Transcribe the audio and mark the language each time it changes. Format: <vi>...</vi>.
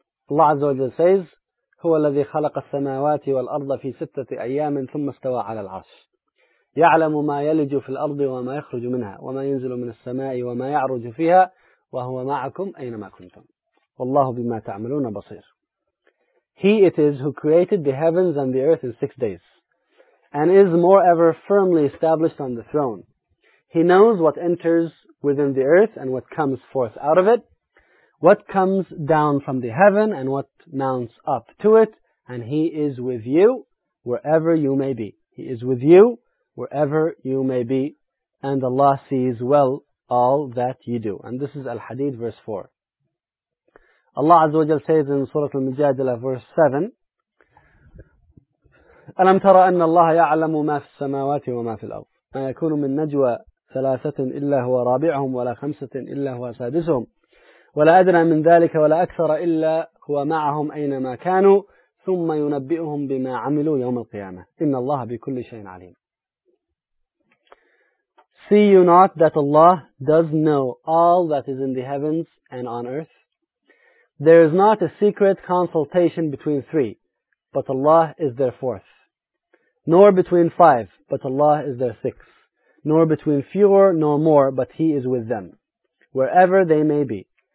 <en>Allah Azza wa Jal says,</en> <ar>هو الذي خلق السماوات والأرض في ستة أيام ثم استوى على العرش يعلم ما يلج في الأرض وما يخرج منها وما ينزل من السماء وما يعرج فيها وهو معكم أينما كنتم والله بما تعملون بصير.</ar> <en>He it is who created the heavens and the earth in 6 days and is moreover firmly established on the throne. He knows what enters within the earth and what comes forth out of it, what comes down from the heaven and what mounts up to it, and He is with you wherever you may be. He is with you wherever you may be, and Allah sees well all that you do. And this is Al-Hadith verse 4. Allah Azza wa Jal says in Surah Al-Mujadilah verse 7,</en> <ar>أَلَمْ تَرَ أَنَّ اللَّهَ يَعْلَمُ مَا فِي السَّمَاوَاتِ وَمَا فِي الْأَرْضِ مَا يَكُونُ مِنْ نَجْوَى ثَلَاثَةٍ إِلَّا هُوَ رَابِعُهُمْ وَلَا خَمْسَةٍ إِلَّا هُوَ سَادِسُهُمْ ولا أدنى من ذلك ولا أكثر إلا هو معهم أينما كانوا ثم ينبئهم بما عملوا يوم القيامة إن الله بكل شيء عليم.</ar> <en>See you not that Allah does know all that is in the heavens and on earth? There is not a secret consultation between three, but Allah is their fourth. Nor between five, but Allah is their sixth. Nor between fewer nor more, but He is with them, wherever they may be.</en>